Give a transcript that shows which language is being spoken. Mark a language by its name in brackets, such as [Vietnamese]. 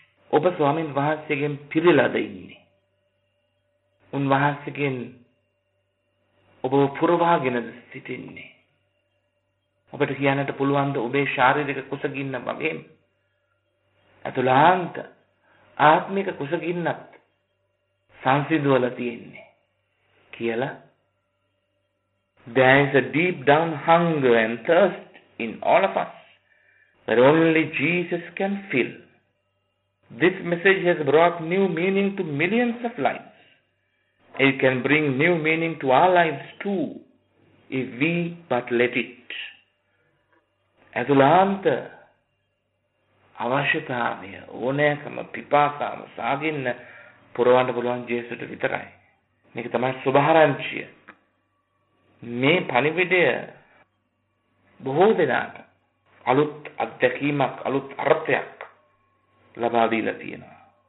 [Sinhala] ඔබ ස්වාමින් වහන්සේගෙන් පිරෙලාද ඉන්නේ? උන්වහන්සේගෙන් ඔබ පුරවාගෙන සිටින්නේ? ඔබට කියන්නට පුළුවන්ද ඔබේ ශාරීරික කුසගින්න වගේම ඇතුළාන්ත ආත්මික කුසගින්නත් සංසිඳුවලා තියෙන්නේ කියලා. [English] There is a deep down hunger and thirst in all of us that only Jesus can fill. This message has brought new meaning to millions of lives. It can bring new meaning to our lives too, if we but let it. [Sinhala] ඇතුළාන්ත අවශ්‍යතාවය ඕනෑකම පිපාසාව සාගින්න පුරවන්න පුළුවන් ජේසුට විතරයි. මේක තමයි සුභාරංචිය. මේ පණිවිඩය බොහෝ දෙනාට අලුත් අත්දැකීමක් අලුත් අර්ථයක් ලබා දීලා තියෙනවා.